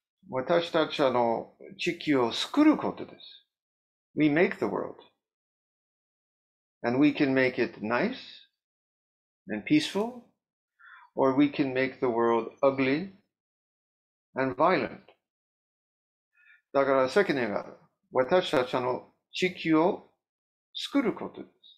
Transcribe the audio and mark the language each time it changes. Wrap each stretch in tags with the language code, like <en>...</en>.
<ja>私たちの地球を作ることです。</ja> <en>We make the world. And we can make it nice and peaceful, or we can make the world ugly and violent.</en> <ja>だから責任がある。私たちの地球を作ることです。</ja>